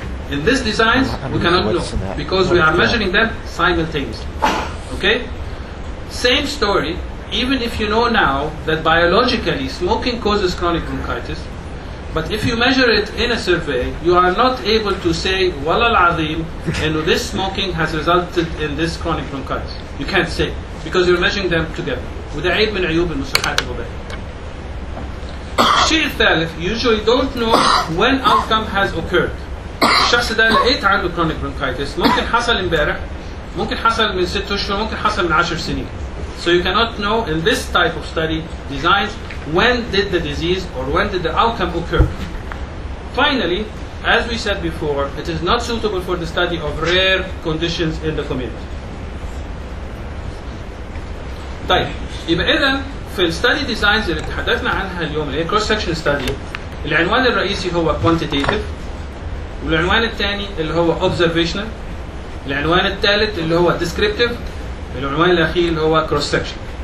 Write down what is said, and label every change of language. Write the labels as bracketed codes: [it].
[en] In this designs we cannot know because we are measuring them simultaneously. Okay? Same story, even if you know now that biologically smoking causes chronic bronchitis, but if you measure it in a survey, you are not able to say, [ar] والله العظيم, [en] and this smoking has resulted in this chronic bronchitis. You can't say, because you're measuring them together. [ar] وده عيب من عيوب المصحات الوبائية. الشيء الثالث, [en] usually don't know when outcome has occurred. [ar] الشخص ده لقيت عنده chronic bronchitis, ممكن حصل امبارح, ممكن حصل من 6 أشهر, ممكن حصل من 10 سنين. [en] So you cannot know in this type of study designs when did the disease or when did the outcome occur. Finally, as we said before, it is not suitable for the study of rare conditions in the community. [ar] طيب, يبقى إذن في study designs اللي تحدثنا عنها اليوم اللي هي cross-section study, العنوان الرئيسي هو quantitative, والعنوان الثاني اللي هو observational, العنوان الثالث اللي هو descriptive, العنوان الأخير اللي هو cross-section.